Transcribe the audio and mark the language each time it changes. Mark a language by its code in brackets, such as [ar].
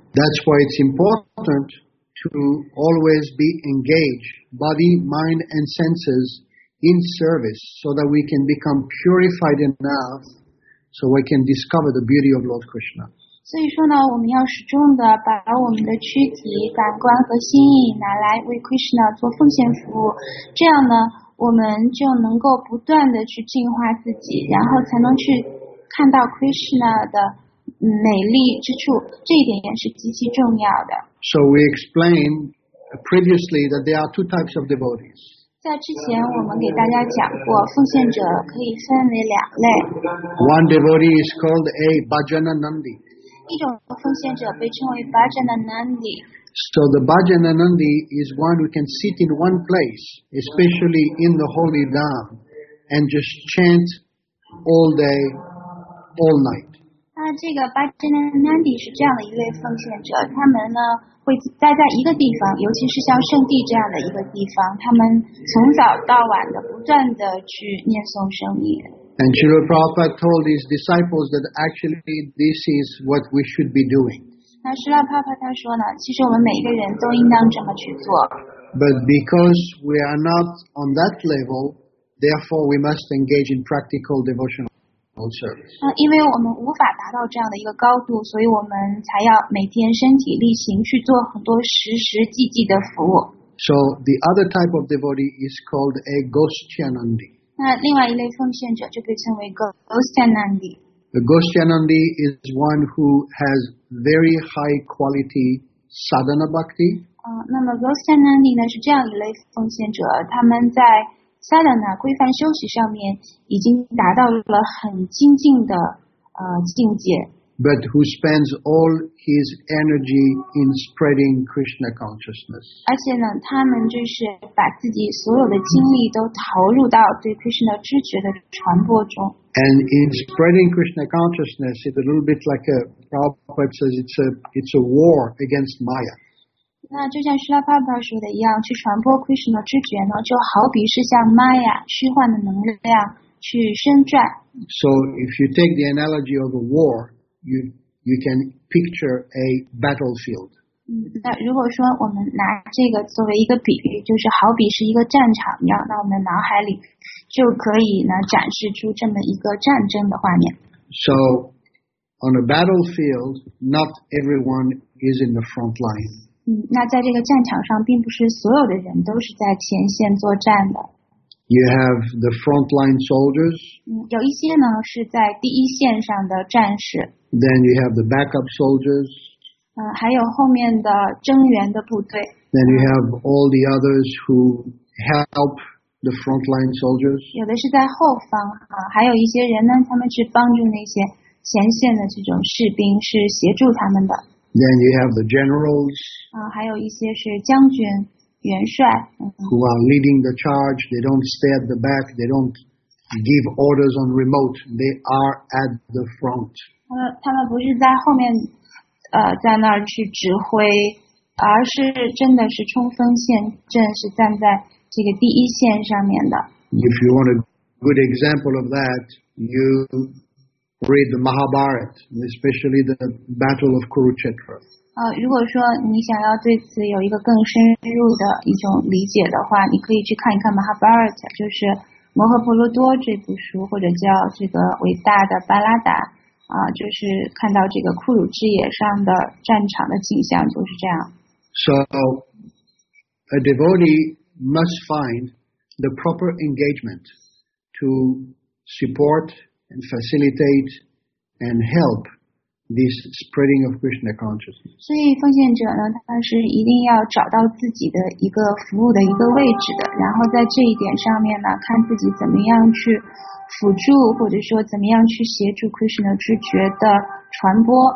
[en] That's why it's important to always be engaged, body, mind, and senses in service, so that we can become purified enough, so we can discover the beauty of Lord Krishna. [zh] 所以说呢，我们要始终地把我们的躯体、感官和心意拿来为 Krishna 做奉献服务，这样呢。我们就能够不断地去净化自己，然后才能去看到 Krishna 的美丽之处，这一点也是极其重要的。 [en] So we explained previously that there are two types of devotees. [zh] 在之前我们给大家讲过，奉献者可以分为两类。 [en] One devotee is called a Bhajanandi. [zh] 一种奉献者被称为 Bhajanandi。 [en] So the Bhajanandi is one who can sit in one place, especially in the holy dham, and just chant all day, all night. [zh] 那这个 Bhajanandi 是这样的一位奉献者，他们呢会待在一个地方，尤其是像圣地这样的一个地方，他们从早到晚的不断的去念诵圣音。 [en] And Srila Prabhupada told his disciples that actually this is what we should be doing. [zh] 那释迦牟尼佛他说呢，其实我们每一个人都应当这么去做。 [en] But because we are not on that level, therefore we must engage in practical devotional service. [zh] 那因为我们无法达到这样的一个高度，所以我们才要每天身体力行去做很多实实际际的服务。 [en] So the other type of devotee is called a Goshtyanandi. [zh] 那另外一类奉献者就被称为 Goshtyanandi。 [en] The Goshtyanandi is one who has very high quality sadhana bhakti. [zh] 那么 Goshtyanandi 呢是这样一类奉献者，他们在 sadhana 规范修习上面已经达到了很精进的境界。 [en] But who spends all his energy in spreading Krishna consciousness. [zh] 而且呢，他们就是把自己所有的精力都投入到对 Krishna 知觉的传播中。 [en] And in spreading Krishna consciousness, it's a little bit like Prabhupada says, it's a war against Maya. [zh] 那就像Srila Prabhupada说的一样，去传播 Krishna 知觉呢，就好比是像 Maya 虚幻的能量去宣传。 [en] So if you take the analogy of a war, you can picture a battlefield. [zh] 那如果说我们拿这个作为一个比喻，就是好比是一个战场一样，那我们脑海里就可以呢展示出这么一个战争的画面。 [en] So, on a battlefield, not everyone is in the front line. [zh] 那在这个战场上，并不是所有的人都是在前线作战的。 [en] You have the frontline soldiers. [zh] 有一些呢是在第一线上的战士。 [en] Then you have the backup soldiers. [zh] 还有后面的增援的部队。 [en] Then you have all the others who help the frontline soldiers. [zh] 有的是在后方啊，还有一些人呢，他们去帮助那些前线的这种士兵，是协助他们的。 [en] Then you have the generals. [zh] 还有一些是将军。元帅 [en] who are leading the charge, they don't stay at the back, they don't give orders on remote, they are at the front. [zh] 他们不是在后面在那儿去指挥，而是真的是冲锋陷阵，是站在这个第一线上面的。 [en] If you want a good example of that, you read the Mahabharata, especially the Battle of Kurukshetra. [zh] 如果说你想要对此有一个更深入的一种理解的话，你可以去看一看《Mahabharata》，就是《摩诃婆罗多》这部书，或者叫这个伟大的巴拉达，就是看到这个库鲁之野上的战场的景象就是这样。 [en] So, a devotee must find the proper engagement to support and facilitate and help. This spreading of Krishna consciousness. [zh] 所以奉献者呢，他是一定要找到自己的一个服务的一个位置的，然后在这一点上面呢，看自己怎么样去辅助，或者说怎么样去协助 Krishna 知觉的传播。